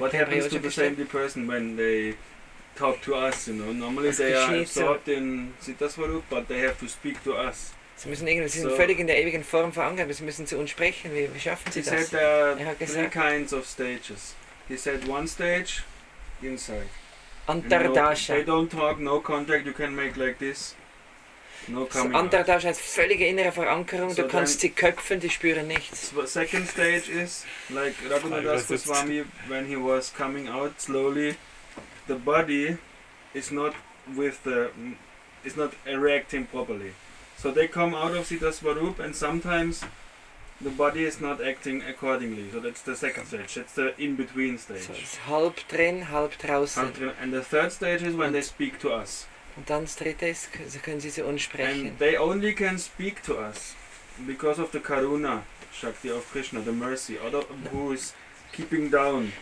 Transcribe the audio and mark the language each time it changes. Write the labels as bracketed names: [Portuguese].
[English] what happens to the saintly person when they talk to us, you know. Normally they are absorbed in Siddhasvarup, but they have to speak to us. [German] Sie müssen irgendwie, sie sind völlig in der ewigen Form verankert, aber sie müssen zu uns sprechen. Wie schaffen sie das? [English] He said there are three kinds of stages. He said one stage, inside. Antardasha. They don't talk, no contact, you can make like this. No, [German] Antardasha heißt völlige innere Verankerung, so du kannst sie köpfen, die spüren nichts. [English] Second stage is like Raghunadas Goswami, when he was coming out slowly, the body is not with the, is not erecting properly. So they come out of Siddhasvarup and sometimes the body is not acting accordingly. So that's the second stage, that's the in-between stage. So it's [German] halb drin, halb draußen. Halb drin. [English] And the third stage is when [German] und [English] they speak to us. [German] Und dann das dritte ist, so können sie zu uns sprechen. [English] And they only can speak to us because of the Karuna Shakti of Krishna, the mercy, or who is keeping down.